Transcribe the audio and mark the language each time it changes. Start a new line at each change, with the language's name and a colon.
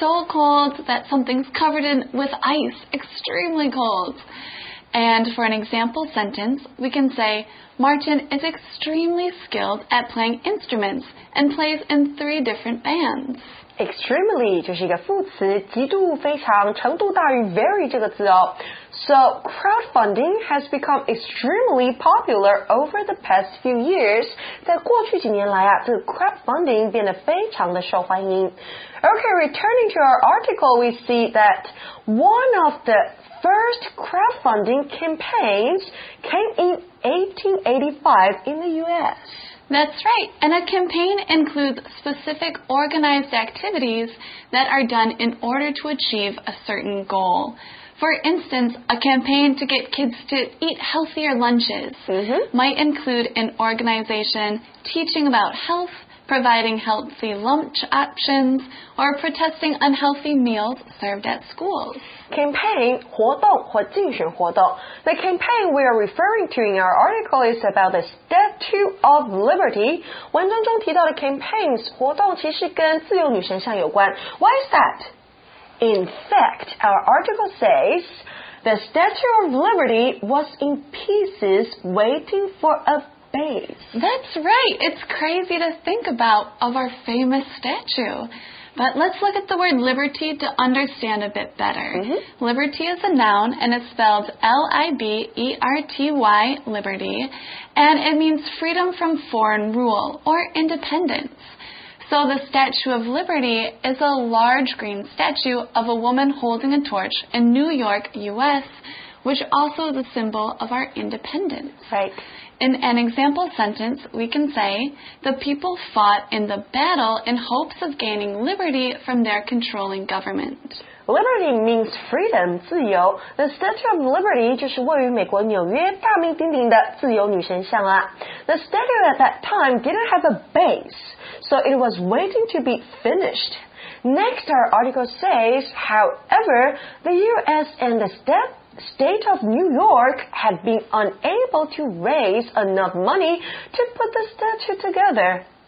English: So cold that something's covered in with ice, extremely cold. And for an example sentence, we can say, Martin is extremely skilled at playing instruments and plays in 3 different bands. Extremely
Chinese: 就是一个副词，极度、非常、程度大于
English: very
Chinese: 这个字哦。
English: So crowdfunding has become extremely popular over the past few years.
Chinese: 在过去几年来啊，这个 crowdfunding 变得非常的受欢迎。
English: Okay, returning to our article, we see that one of the first crowdfunding campaigns came in 1885 in the U.S. That's right, and a campaign includes specific organized activities that are done in order to achieve a certain goal. For instance, a campaign to get kids to eat healthier lunches、 mm-hmm. might include an organization teaching about health, providing healthy lunch options, or protesting unhealthy meals served at schools. Campaign,
Chinese: 活动或竞选活动
English: The campaign we are referring to in our article is about the Statue of Liberty.
Chinese: 文章中提到的 campaigns, 活动其实跟自由女神像有关
English: Why is that? In fact, our article says, the Statue of Liberty was in pieces waiting for a base. That's right. It's crazy to think about of our famous statue. But let's look at the word liberty to understand a bit better. Mm-hmm. Liberty is a noun, and it's spelled L-I-B-E-R-T-Y, liberty. And it means freedom from foreign rule or independence. So the Statue of Liberty is a large green statue of a woman holding a torch in New York, U.S., which also is a symbol of our independence. Right. In an example sentence, we can say, the people fought in the battle in hopes of gaining liberty from their controlling government. Liberty means freedom,
Chinese: 自由。 The Statue of Liberty 就是位于美国纽约大名鼎鼎的自由女神像啊。
English: The statue at that time didn't have a base, so it was waiting to be finished. Next, our article says, however, the U.S. and the state of New York had been unable to raise enough money to put the statue together.